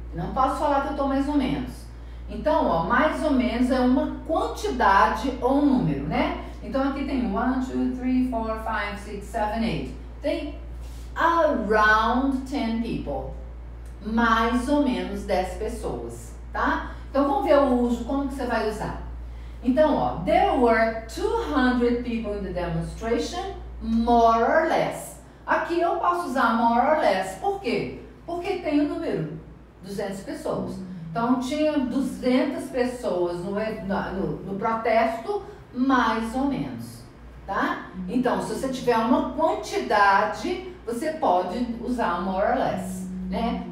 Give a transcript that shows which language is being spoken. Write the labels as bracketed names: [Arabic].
[Portuguese] Não posso falar que eu estou mais ou menos. Então, ó, mais ou menos é uma quantidade ou um número, né? Então, aqui tem 1, 2, 3, 4, 5, 6, 7, 8. Tem [English] around 10 people. [Portuguese] Mais ou menos 10 pessoas, tá? Então, vamos ver o uso, como que você vai usar. Então, ó, [English] there were 200 people in the demonstration, more or less. [Portuguese] Aqui eu posso usar more or less, por quê? Porque tem o número, 200 pessoas. Então, tinha 200 pessoas no protesto, mais ou menos, tá? Então, se você tiver uma quantidade, você pode usar more or less, né?